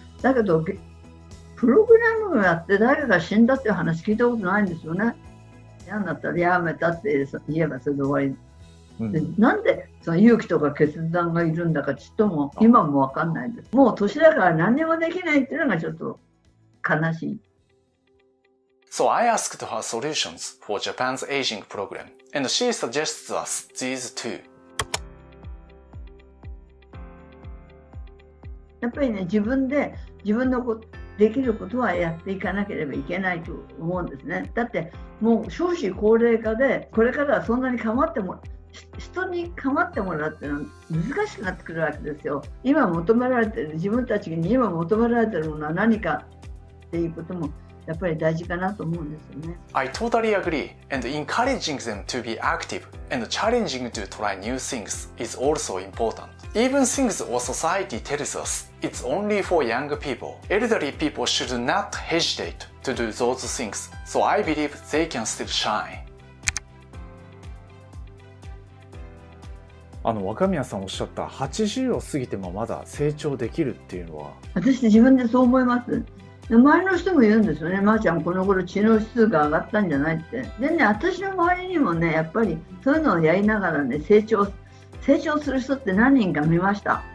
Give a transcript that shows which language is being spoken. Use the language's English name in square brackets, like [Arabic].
[Japanese] だけどプログラムをやって誰かが死んだっていう話聞いたことないんですよね。嫌になったらやめたって言えばそれで終わり。なんでその勇気とか決断がいるんだかちっとも今も分かんないです。もう年だから何にもできないっていうのがちょっと悲しい。 [English] So I asked her solutions for Japan's aging program and she suggests us these two。 [Japanese] やっぱりね、自分で自分のできることはやっていかなければいけないと思うんですね。だってもう少子高齢化でこれからはそんなに構っても人に構ってもらうってのは難しくなってくるわけですよ。今求められてる、自分たちに今求められてるものは何かっていうこともやっぱり大事かなと思うんですよね。 [English] I totally agree and encouraging them to be active and challenging to try new things is also important。 Even things our society tells us, it's only for young people. Elderly people should not hesitate to do those things, so I believe they can still shine. [Japanese] あの、若宮さんおっしゃった80を過ぎてもまだ成長できるっていうのは、私自分でそう思います。周りの人も言うんですよね、まーちゃんこの頃知能指数が上がったんじゃないって。でね、私の周りにもね、やっぱりそういうのをやりながらね、成長する人って何人か見ました。